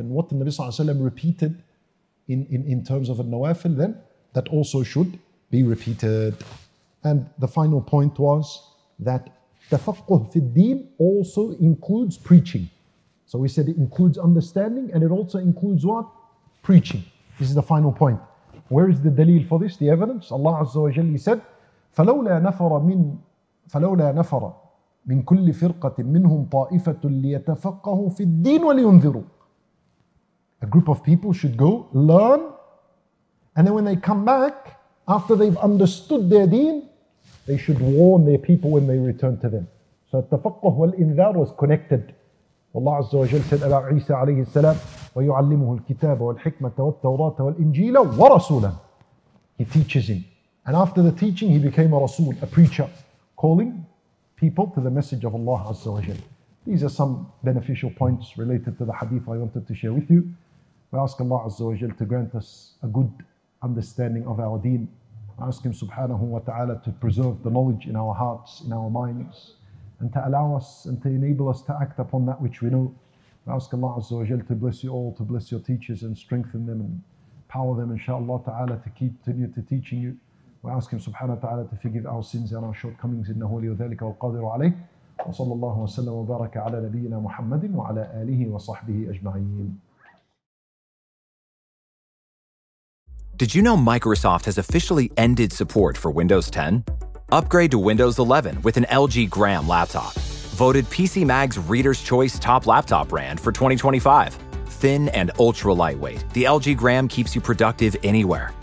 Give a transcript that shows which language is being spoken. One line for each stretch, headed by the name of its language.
English: And what the Nabi Sallallahu Alaihi Wasallam repeated in terms of a nawafil, then that also should be repeated. And the final point was that tafaqquh fi al-deen also includes preaching. So we said it includes understanding and it also includes what? Preaching. This is the final point. Where is the dalil for this, the evidence? Allah Azza wa Jalla said,
Arabic: فَلَوْلَا نَفَرَ مِنْ كُلِّ فِرْقَةٍ مِّنْهُمْ طَائِفَةٌ لِيَتَفَقَّهُ فِي الدِّينِ وَلِيُنْذِرُوا.
English: A group of people should go learn, and then when they come back, after they've understood their deen, they should warn their people when they return to them. So
Arabic: التفقه والإنذار
English: was connected. Allah Azza wa Jal said about Isa alayhi salam,
Arabic: وَيُعَلِّمُهُ الْكِتَابَ وَالْحِكْمَةَ وَالتَّوْرَاةَ وَالْإِنْجِيلَ وَرَسُولًا.
English: He teaches him. And after the teaching, he became a rasul, a preacher, calling people to the message of Allah Azza wa Jal. These are some beneficial points related to the hadith I wanted to share with you. We ask Allah Azza wa Jal to grant us a good understanding of our deen. I ask Him subhanahu wa ta'ala to preserve the knowledge in our hearts, in our minds, and to allow us and to enable us to act upon that which we know. We ask Allah Azza wa Jal to bless you all, to bless your teachers and strengthen them and power them, inshaAllah ta'ala, to continue to teaching you. We ask Him subhanahu wa ta'ala to forgive our sins and our shortcomings.
Arabic: إِنَّهُ وَلِيُّ ذَلِكَ وَالْقَادِرُ عَلَيْهِ. وصلى الله وسلم وبارك على نبينا محمد وعلى آله وصحبه أجمعين.
English: Did you know Microsoft has officially ended support for Windows 10? Upgrade to Windows 11 with an LG Gram laptop. Voted PC Mag's Reader's Choice Top Laptop Brand for 2025. Thin and ultra lightweight, the LG Gram keeps you productive anywhere.